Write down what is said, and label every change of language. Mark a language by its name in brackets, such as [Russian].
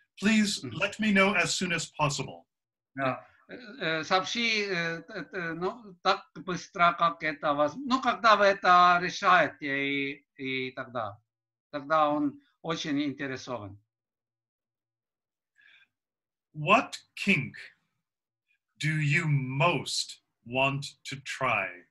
[English] Please let me know as soon as possible. [Russian] Сообщи, ну, так быстро, как это возможно. Ну, когда вы это решаете, и тогда. Тогда он очень интересован. [English] What kink do you most want to try?